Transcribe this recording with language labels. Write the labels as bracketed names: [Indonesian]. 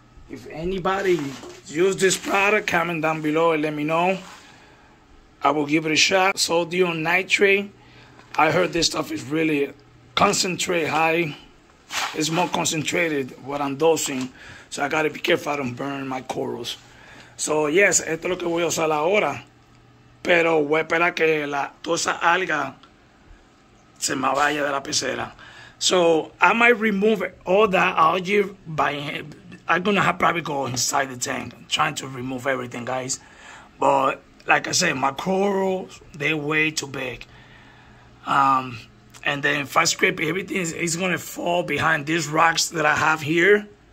[English] If anybody use this product, comment down below and let me know. I will give it a shot. Sodium nitrate. I heard this stuff is really concentrate high. It's more concentrated what I'm dosing. So I gotta be careful I don't burn my corals. So yes, [Spanish] esto es lo que voy a usar ahora. Pero voy a esperar que la toda esa alga se me vaya de la pecera. [English] So I might remove all that algae by I'm gonna have probably go inside the tank trying to remove everything, guys. But like I said, my corals, they're way too big. And then if I scrape everything, it's gonna fall behind these rocks that I have here.